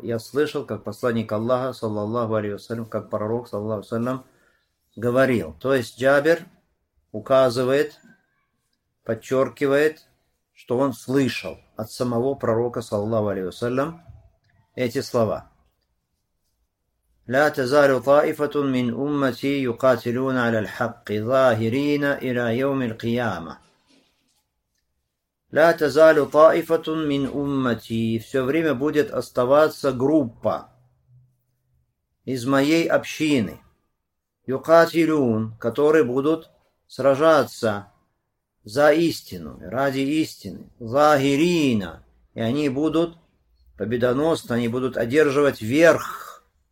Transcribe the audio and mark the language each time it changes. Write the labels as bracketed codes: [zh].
[ru] Я слышал, как посланник Аллаха, саллаллаху алейхи вассалям, как пророк, саллаллаху алейхи вассалям, говорил. То есть Джабир указывает, подчеркивает, что он слышал от самого пророка, саллаллаху алейхи вассалям, эти слова. [ar] لا تزال طائفة من أمتي يقاتلون على الحق ظاهرين إلى يوم القيامة. لا تزال طائفة من أمتي. [ru] Все время будет оставаться группа из моей общины. [ar] يقاتلون, [ru] которые будут сражаться за истину, ради истины. [ar] ظاهرين, [ru] и они будут победоносны, они будут одерживать верх.